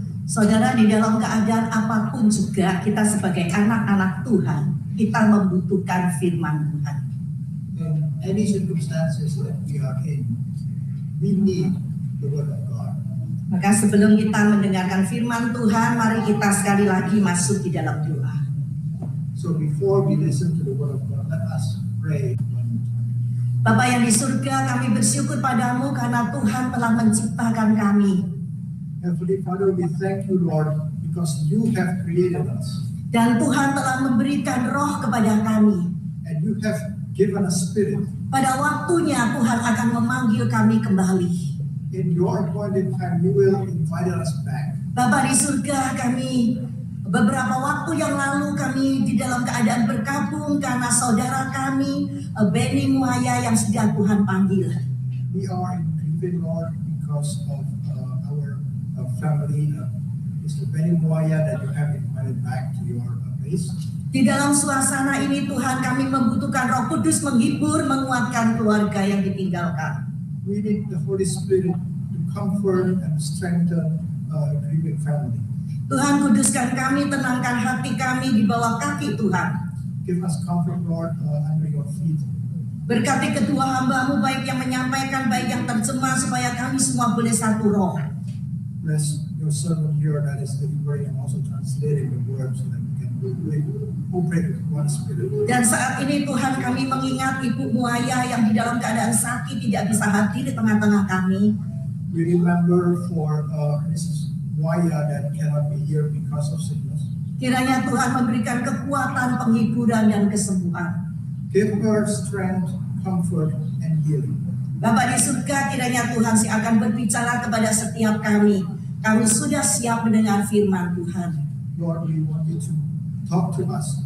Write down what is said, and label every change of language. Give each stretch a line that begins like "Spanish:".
Indonesian: Saudara, di dalam keadaan apapun juga kita sebagai anak-anak Tuhan, kita membutuhkan firman Tuhan.
English: In any circumstances that we are in, we need the word of God.
Indonesian: Maka sebelum kita mendengarkan firman Tuhan, mari kita sekali lagi masuk di dalam doa.
English: So before we listen to the word of God, let us pray.
Indonesian: Bapa yang di surga, kami bersyukur padamu karena Tuhan telah menciptakan kami.
English: Heavenly Father, we thank you, Lord, because you have created us.
Indonesian: Dan Tuhan telah memberikan roh kepada kami.
English: And you have given a spirit.
Indonesian: Pada waktunya Tuhan akan memanggil kami kembali.
English: In your appointed time, you will invite us back.
Indonesian: Bapa di surga, kami beberapa waktu yang lalu kami di dalam keadaan berkabung karena saudara kami Benny Muaya yang sudah Tuhan panggil.
English: We are in grieving, Lord, because of our family. Mr. Benny Muaya, that you have invited back to your place.
Indonesian: Di dalam suasana ini Tuhan, kami membutuhkan Roh Kudus menghibur, menguatkan keluarga yang ditinggalkan.
English: We need the Holy Spirit to comfort and strengthen grieving family.
Indonesian: Tuhan, kuduskan kami, tenangkan hati kami di bawah kaki Tuhan.
English: Give us comfort, Lord, under your feet.
Indonesian: Berkati kedua hamba-Mu baik yang menyampaikan Tuhan, baik yang terjemah supaya kami semua boleh satu roh.
English: Bless your servant here that is delivering and also translating the words so that we can operate with one spirit.
Indonesian: Dan saat ini Tuhan, kami mengingat ibu Muaya yang di dalam keadaan sakit tidak bisa hadir di tengah-tengah kami.
English: We remember for Mrs. Muaya that cannot be here because of sickness.
Indonesian: Kiranya Tuhan memberikan kekuatan, penghiburan, dan kesembuhan.
English: Give her strength, comfort, and healing.
Indonesian: Bapa di surga, kiranya Tuhan sih akan berbicara kepada setiap kami. Kami sudah siap mendengar firman Tuhan.
English: Lord, we want you to talk to us.